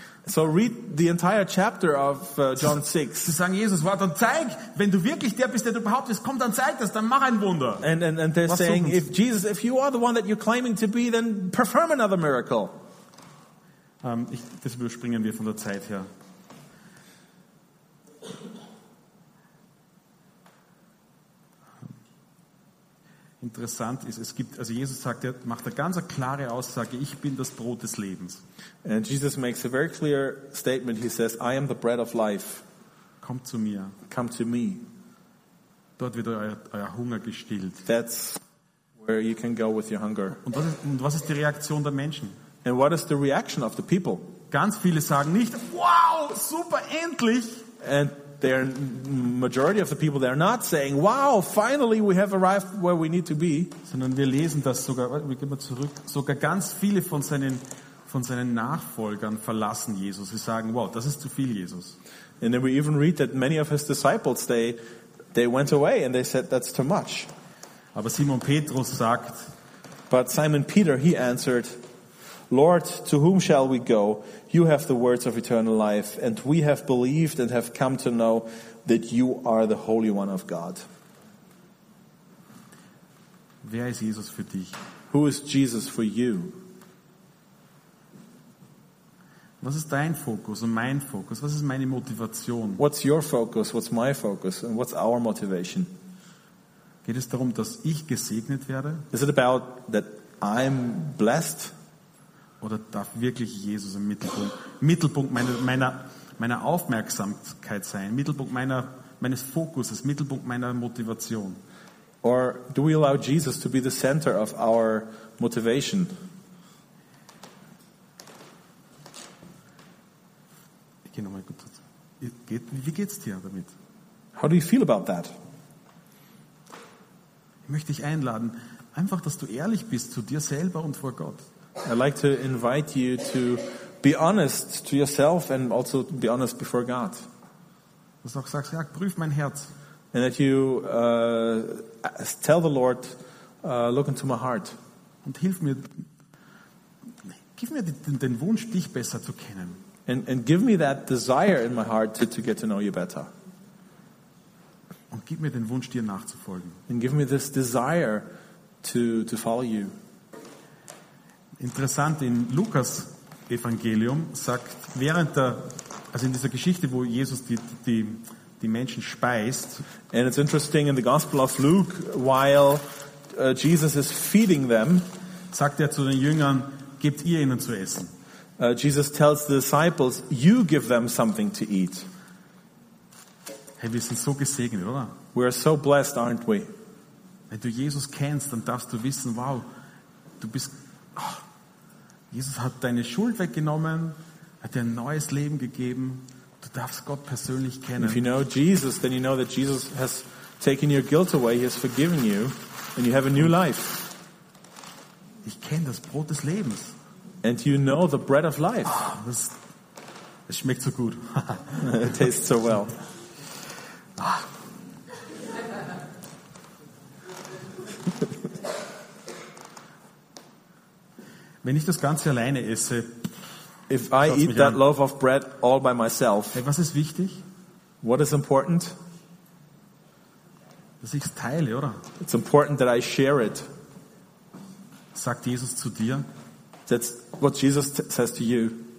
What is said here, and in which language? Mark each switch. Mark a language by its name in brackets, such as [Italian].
[English] So read the entire chapter of John 6. [German] Sie sagen, Jesus, warte, dann zeig, wenn du wirklich der bist, der du behauptest, komm, dann zeig das, dann mach ein Wunder. [English] And they're saying, if Jesus, if you are the one that you're claiming to be, then perform another miracle. [German] Das überspringen wir von der Zeit her. Interessant ist, es gibt, also Jesus sagt, er macht eine ganz klare Aussage, ich bin das Brot des Lebens. [English] And Jesus makes a very clear statement, he says, I am the bread of life. [German] Kommt zu mir. [English] Come to me. [German] Dort wird euer Hunger gestillt. [English] That's where you can go with your hunger. [German] Und was ist die Reaktion der Menschen? [English] And what is the reaction of the people? [German] Ganz viele sagen nicht, wow, super, endlich. [English] And the majority of the people, they're not saying, wow, finally we have arrived where we need to be. [German] Sondern wir lesen das sogar, wir gehen mal zurück, sogar ganz viele von seinen Nachfolgern verlassen Jesus. Sie sagen, wow, das ist zu viel, Jesus. [English] And then we even read that many of his disciples, they went away and they said, that's too much. [German] Aber Simon Petrus sagt, [English] but Simon Peter, he answered, Lord, to whom shall we go? You have the words of eternal life, and we have believed and have come to know that you are the Holy One of God. [German] Wer ist Jesus für dich? [English] Who is Jesus for you? [German] Was ist dein Fokus und mein Fokus? Was ist meine Motivation? [English] What's your focus? What's my focus? And what's our motivation? [German] Geht es darum, dass ich gesegnet werde? [English] Is it about that I'm blessed? [German] Oder darf wirklich Jesus im Mittelpunkt meiner Aufmerksamkeit sein, Mittelpunkt meines Fokuses, Mittelpunkt meiner Motivation? [English] Or do we allow Jesus to be the center of our motivation? [German] Ich gehe nochmal Wie geht's dir damit? [English] How do you feel about that? [German] Ich möchte dich einladen, einfach, dass du ehrlich bist zu dir selber und vor Gott. [English] I'd like to invite you to be honest to yourself and also be honest before God. [German] Dass du auch sagst, ja, prüf mein Herz. [English] And that you tell the Lord, look into my heart. [German] Und hilf mir, gib mir den Wunsch, dich besser zu kennen. [English] And give me that desire in my heart to get to know you better. [German] Und gib mir den Wunsch, dir nachzufolgen. [English] And give me this desire to follow you. [German] Interessant, in Lukas Evangelium sagt, in dieser Geschichte, wo Jesus die Menschen speist. [English] And it's interesting in the Gospel of Luke, while Jesus is feeding them, [German] sagt er zu den Jüngern, gebt ihr ihnen zu essen. [English] Jesus tells the disciples, you give them something to eat. [German] Hey, wir sind so gesegnet, oder? [English] We are so blessed, aren't we? [German] Wenn du Jesus kennst, dann darfst du wissen, wow, du bist, oh, Jesus hat deine Schuld weggenommen, hat dir ein neues Leben gegeben, du darfst Gott persönlich kennen. [English] If you know Jesus, then you know that Jesus has taken your guilt away, he has forgiven you, and you have a new life. [German] Ich kenne das Brot des Lebens. [English] And you know the bread of life. [German] Oh, das schmeckt so gut. [English] It tastes so well. [German] Wenn ich das Ganze alleine esse, [English] if I eat that loaf of bread all by myself, [German] hey, was ist wichtig? [English] What is important? [German] Dass ich es teile, oder? [English] It's important that I share it. [German] Sagt Jesus zu dir? [English] That's what Jesus says to you.